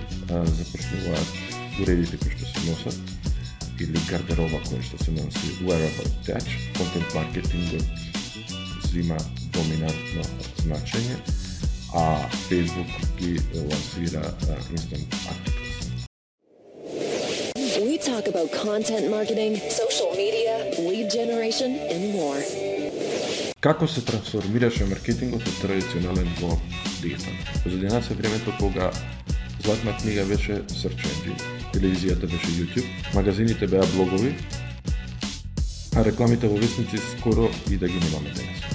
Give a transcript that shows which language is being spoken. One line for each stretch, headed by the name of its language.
Macedonian: Започнуваат уредите кои што се носат или гардероба кој што се носи
English: wearable touch.
Macedonian: Контент маркетингот взима доминантно значење, а Facebook ги лансира instant articles.
English: We talk about content marketing, social media, lead generation and more.
Macedonian: Како се трансформираше маркетингот од традиционален во дигитален? Позадина се времето кога златна книга беше search engine, телевизијата беше YouTube, магазините беа блогови, а рекламите во вестници скоро и да ги немаме денес.